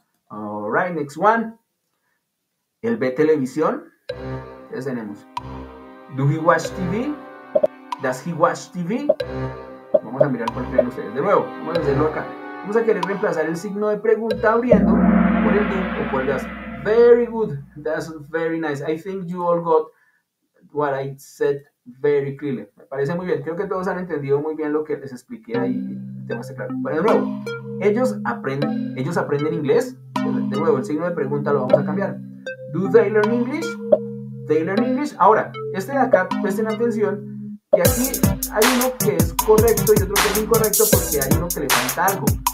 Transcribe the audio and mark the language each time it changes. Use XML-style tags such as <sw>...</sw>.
<en>All right, next one.</en> <es>¿Él ve televisión? Ya tenemos.</es> <en>¿Do he watch TV? ¿Does he watch TV?</en> <es>Vamos a mirar cuál creen ustedes. De nuevo, vamos a hacerlo acá. Vamos a querer reemplazar el signo de pregunta abriendo por el do o por el does.</es> <en>Very good. That's very nice. I think you all got what I said very clearly.</en> <es>Me parece muy bien. Creo que todos han entendido muy bien lo que les expliqué ahí. Te va a ser claro. Bueno, de nuevo, ¿ellos aprenden inglés? De nuevo, el signo de pregunta lo vamos a cambiar.</es> <en>Do they learn English?</en> <es>They learn English. Ahora, este de acá, presten atención, que aquí hay uno que es correcto y otro que es incorrecto porque hay uno que le falta algo.</es>